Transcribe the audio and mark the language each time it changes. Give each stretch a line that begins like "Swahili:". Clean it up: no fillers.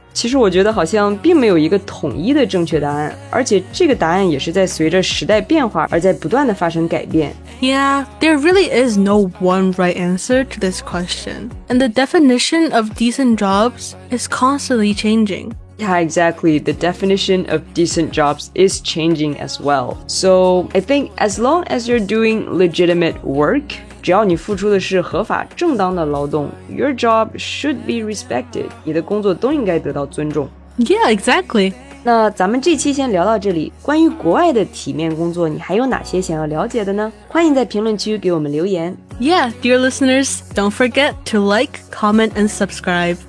Chinese: 其实我觉得好像并没有一个统一的正确答案，而且这个答案也是在随着时代变化而在不断的发生改变。
English: Yeah, there really is no one right answer to this question. And the definition of decent jobs is constantly changing. Yeah, exactly. The definition of decent jobs is changing as well. So I think as long as you're doing legitimate work,
Chinese: 只要你付出的是合法正当的劳动
English: your job should be respected.
Chinese: 你的工作都应该得到尊重。
English: Yeah, exactly.
Chinese: 那咱们这期先聊到这里，关于国外的体面工作你还有哪些想要了解的呢？欢迎在评论区给我们留言。
English: Yeah, dear listeners, don't forget to like, comment and subscribe.